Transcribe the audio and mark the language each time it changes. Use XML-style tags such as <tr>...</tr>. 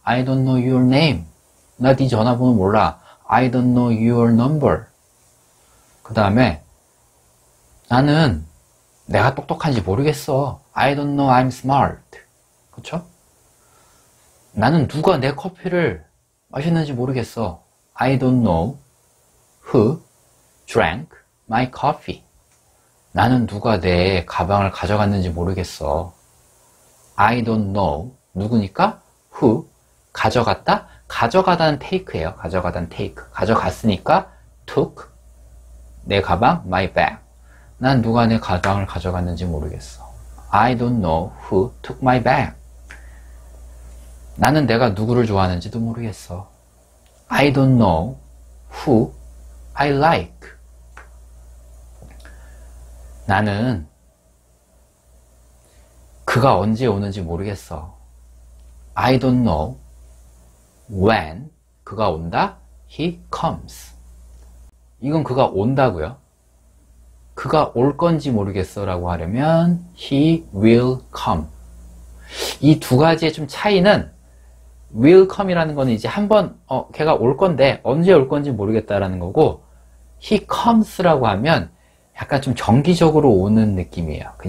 <en>I don't know your name.</en> <ko>나네 전화번호 몰라.</ko> <en>I don't know your number.</en> <ko>그 다음에 나는 내가 똑똑한지 모르겠어.</ko> <en>I don't know I'm smart.</en> <ko>그쵸? 나는 누가 내 커피를 마셨는지 모르겠어.</ko> <en>I don't know who drank my coffee.</en> <ko>나는 누가 내 가방을 가져갔는지 모르겠어.</ko> <en>I don't know</en> <ko>누구니까?</ko> <en>Who</en> <ko>가져갔다? 가져가다는 take예요. 가져가다는 take. 가져갔으니까 took 내 가방</ko> <en>my bag.</en> <ko>난 누가 내 가방을 가져갔는지 모르겠어.</ko> <en>I don't know who took my bag.</en> <ko>나는 내가 누구를 좋아하는지도 모르겠어.</ko> <en>I don't know who I like.</en> <ko>나는 그가 언제 오는지 모르겠어.</ko> <en>I don't know when</en> <ko>그가 온다?</ko> <en>He comes.</en> <ko>이건 그가 온다고요. 그가 올 건지 모르겠어라고 하려면</ko> <en>he will come.</en> <ko>이두 가지의 좀 차이는</ko> <en>will come</en> <ko>이라는 거는 이제 한번 걔가 올 건데 언제 올 건지 모르겠다라는 거고</ko> <en>he comes</en> <ko>라고 하면 약간 좀 정기적으로 오는 느낌이에요.</ko>